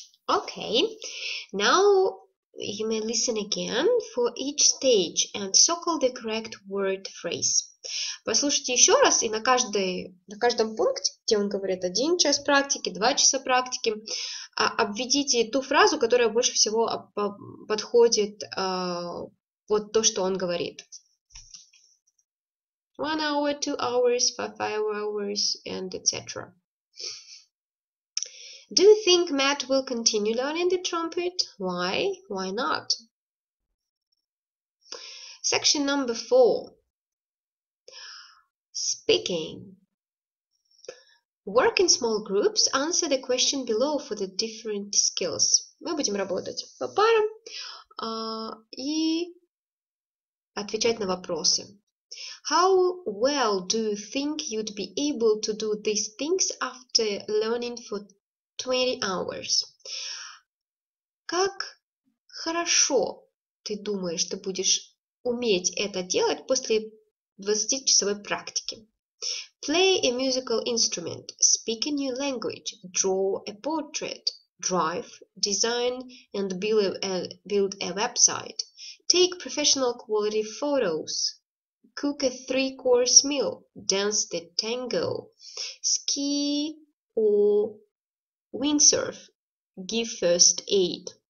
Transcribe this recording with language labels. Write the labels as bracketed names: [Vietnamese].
[English] Okay, now you may listen again for each stage and circle the correct word phrase. [Russian] Послушайте еще раз и на каждом пункте, где он говорит 1 час практики, 2 часа практики, обведите ту фразу, которая больше всего подходит под то, что он говорит. [English] 1 hour, 2 hours, 5 hours, and etc. Do you think Matt will continue learning the trumpet? Why? Why not? Section number 4. Speaking. Work in small groups. Answer the question below for the different skills. [Russian] Мы будем работать по парам и отвечать на вопросы. [English] How well do you think you'd be able to do these things after learning for 20 hours. [Russian] Как хорошо ты думаешь, ты будешь уметь это делать после 20-часовой практики? [English] Play a musical instrument, speak a new language, draw a portrait, drive, design and build a website, take professional quality photos, cook a 3-course meal, dance the tango, ski or windsurf, give first aid.